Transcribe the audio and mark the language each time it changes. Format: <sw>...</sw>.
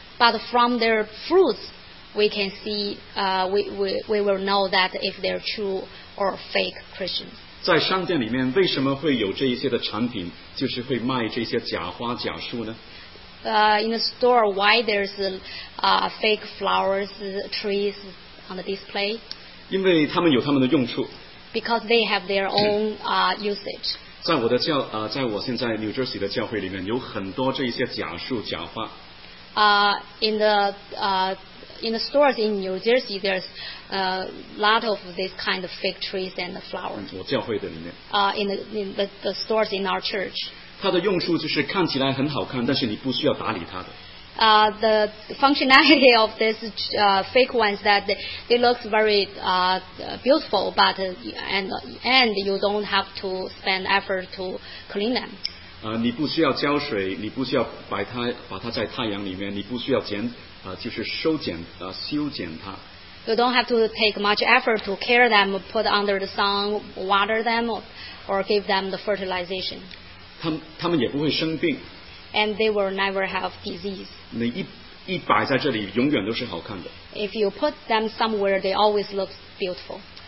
<en>But from their fruits, we can see, we will know that if they're true or fake Christians.</en> <zh>在商店里面，为什么会有这一些的产品，就是会卖这些假花假树呢？</zh> <en>In the store, why there's fake flowers, trees on the display?</en> <zh>因为他们有他们的用处。</zh> <en>Because they have their own usage.</en> <zh>在我的教, 在我现在 New Jersey的教会里面, 有很多这一些假树假花。</zh> <en>In the stores in New Jersey, there's a lot of this kind of fake trees and flowers.</en> <zh>我教会的里面。</zh> <en>In the stores in our church.</en> <zh>它的用处就是看起来很好看, 但是你不需要打理它的。</zh> <en>The functionality of this fake ones that they look very beautiful, but and you don't have to spend effort to clean them.</en> <zh>你不需要浇水, 你不需要把它在太阳里面, 你不需要剪, 就是收剪, 修剪它。</zh> <en>You don't have to take much effort to care them, put under the sun, water them, or give them the fertilization.</en> <zh>他们也不会生病。</zh> <en>And they will never have disease.</en> <zh>你一摆在这里，永远都是好看的。</zh> <en>If you put them somewhere, they always look beautiful.</en>